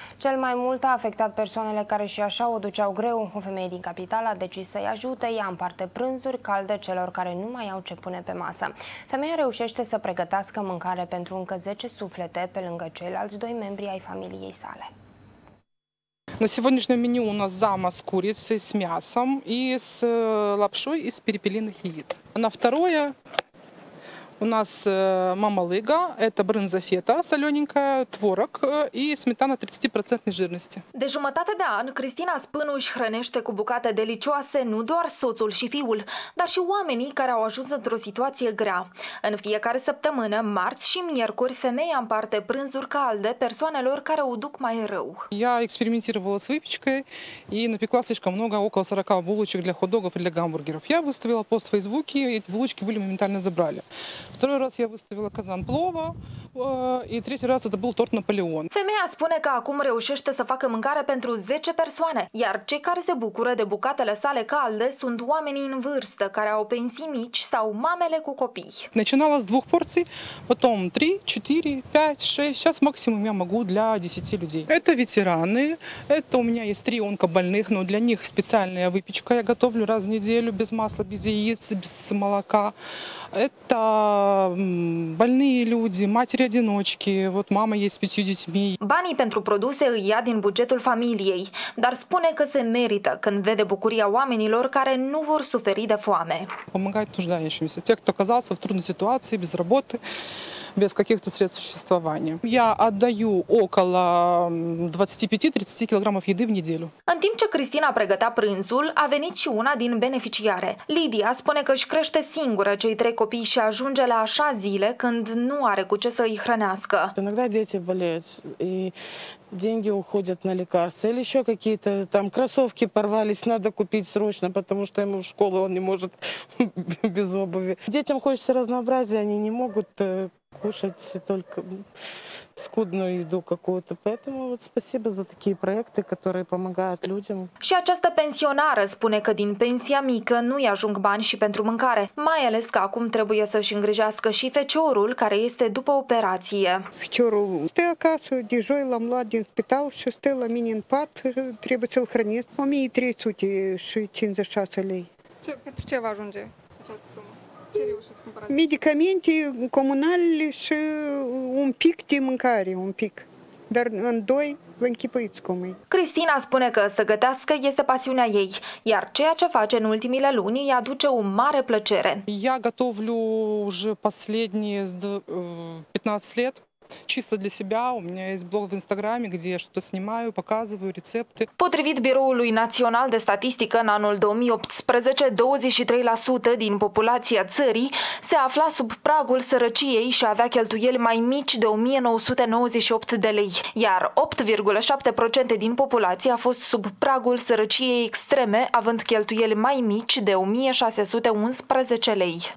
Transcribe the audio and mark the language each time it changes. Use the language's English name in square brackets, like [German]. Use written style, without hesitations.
[Romanian] Cel mai mult a afectat persoanele care și așa o duceau greu. O femeie din capitală a decis să-i ajute, ea împarte prânzuri calde celor care nu mai au ce pune pe masă. Femeia reușește să pregătească mâncare pentru încă 10 suflete, pe lângă ceilalți 2 membri ai familiei sale. [Russian] На сегодняшнем меню у нас зама с курицей, с мясом и с лапшой из перепелиных яиц. На второе у нас мамалыга, это брынза фета солененькая, творог и сметана 30% жирности. [Romanian] De jumătate de an, Cristina Spânu își hrănește cu bucate delicioase nu doar soțul și fiul, dar și oamenii care au ajuns într-o situație grea. În fiecare săptămână, marți și miercuri, femeia împarte prânzuri calde persoanelor care o duc mai rău. [Russian] Я экспериментировала с выпечкой и напекла слишком много, около 40 булочек для хот-догов и для гамбургеров. Я выставила пост в Фейсбуке, и эти булочки были моментально забрали. Второй раз я выставила казан плова, и третий раз это был торт Наполеон. [Romanian] Femeia spune că acum reușește să facă mâncare pentru 10 persoane, iar cei care se bucură de bucatele sale calde sunt oamenii în vârstă, care au pensii mici sau mamele cu copii. [Russian] Начинала с двух порций, потом 3, 4, 5, 6, сейчас максимум я могу для 10 людей. Это ветераны, это у меня есть 3 онкобольных, но для них специальная выпечка я готовлю раз в неделю, без масла, без яиц, без молока. Это больные люди, матери-одиночки, вот мама есть с 5 детьми. [Romanian] Banii pentru produse îi ia din bugetul familiei, dar spune că se merită când vede bucuria oamenilor care nu vor suferi de foame. [Russian] Помогать нуждающимся, те, кто оказался в трудной ситуации, без работы, без каких-то средств существования. Я отдаю около 25-30 килограммов еды в неделю. [Romanian] În timp ce Cristina pregătea prânzul, a venit și una din beneficiare. Lidia spune că își crește singură cei 3 copii și ajunge la așa zile când nu are cu ce să îi hrănească. [Russian] Иногда дети болеют и деньги уходят на лекарства или еще какие-то там кроссовки порвались, надо купить срочно, потому что ему в школу он не может без обуви. Детям хочется разнообразия, они не могут кушать только скудную еду какую-то. Поэтому вот спасибо за такие проекты, которые помогают людям. [Romanian] Și această pensionară spune că din pensia mică nu-i ajung bani și pentru mâncare, mai ales că acum trebuie să-și îngrijească și feciorul, care este după operație. Feciorul stă acasă, deja l-am luat din spital și stă la mine în pat, trebuie să-l hrănesc. 1356 lei. Ce, pentru ce va ajunge această sumă? Medicamente comunale și un pic de mâncare, un pic. Dar în doi, vă închipuiți cum e. Cristina spune că să gătească este pasiunea ei, iar ceea ce face în ultimile luni îi aduce o mare plăcere. [Russian] Я готовлю уже последние 15 лет. Чисто для себя. У меня есть блог в Инстаграме, где я что-то снимаю, показываю рецепты. [Romanian] Potrivit Biroului Național de Statistică, în anul 2018, 23% din populația țării se afla sub pragul sărăciei și avea cheltuieli mai mici de 1998 de lei, iar 8,7% din populație a fost sub pragul sărăciei extreme, având cheltuieli mai mici de 1611 lei.